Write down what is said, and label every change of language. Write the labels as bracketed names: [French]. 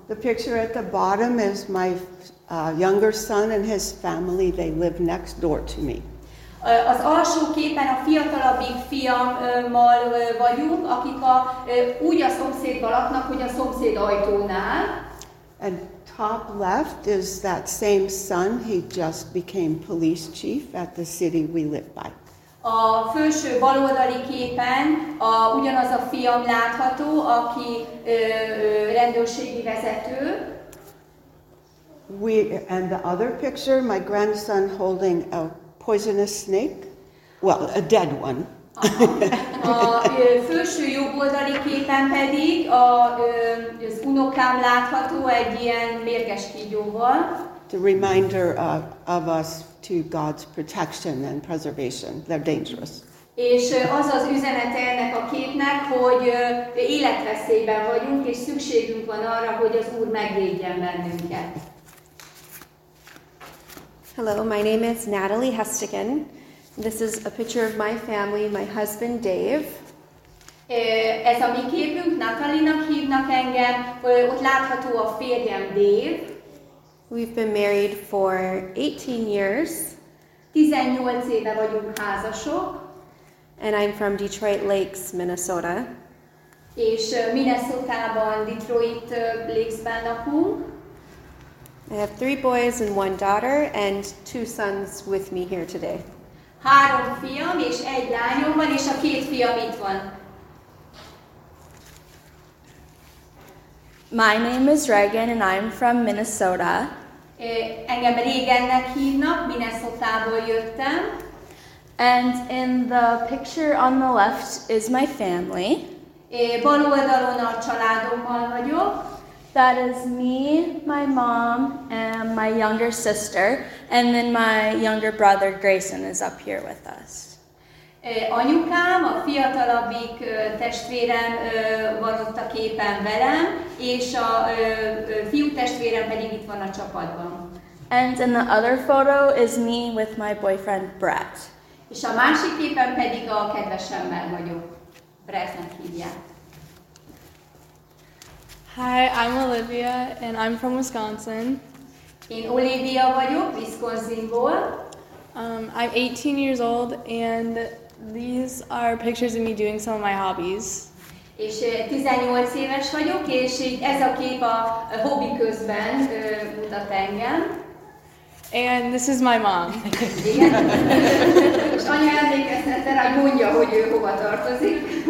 [English] The picture at the bottom is my younger son and his family. They live next door to me. [Hungarian] Az alsó képen a fiatalabbik fiammal vagyunk, akik úgy a szomszédban laknak, hogy a szomszéd ajtónál. [English] And top left is that same son. He just became police chief at the city we live by. [Hungarian] A felső baloldali képen ugyanaz a fiam látható, aki rendőrségi vezető. [English] And the other picture, my grandson holding a poisonous snake. Well, a dead one. [Hungarian] A felső jobb oldali képen pedig az unokám látható egy ilyen mérges kígyóval. [English] The reminder of us to God's protection and preservation. They're dangerous. [Hungarian] És az az üzenet ennek a képnek, hogy életveszélyben vagyunk, és szükségünk van arra, hogy az Úr megvédjen bennünket. [English] Hello, my name is Natalie Hestigen. This is a picture of my family, my husband Dave. [Hungarian] Ez a mi képünk, Natalie-nak hívnak engem, ott látható a férjem Dave. [English] We've been married for 18 years. [Hungarian] 18 éve vagyunk házasok. [English] And I'm from Detroit Lakes, Minnesota. [Hungarian] És Minnesota-ban, Detroit Lakes-ben lakunk. [English] I have 3 boys and 1 daughter and 2 sons with me here today. [Hungarian] 3 fiam és 1 lányom van, és a 2 fiam itt van. [English] My name is Regan and I'm from Minnesota. [Hungarian] Engem Regannek hívnak, Minnesotából jöttem. [English] And in the picture on the left is my family. [Hungarian] Bal oldalon a családommal vagyok. [English] That is me, my mom, and my younger sister, and then my younger brother Grayson is up here with us. [Hungarian] Anyukám, a fiatalabbik testvérem van ott a képen velem, és a fiú testvérem pedig itt van a csapatban. [English] And in the other photo is me with my boyfriend Brett. [Hungarian] És a másik képen pedig a kedvesemmel vagyok. Brettnek hívják. [English] Hi, I'm Olivia, and I'm from Wisconsin. [Hungarian] Én Olivia vagyok, Wisconsinból. [English] I'm 18 years old, and these are pictures of me doing some of my hobbies. [Hungarian] És 18 éves vagyok, és ez a kép a hobbi közben mutat engem. [English] And this is my mom. [Hungarian] És anya emlékeztetve rá, mondja, hogy ő hova tartozik.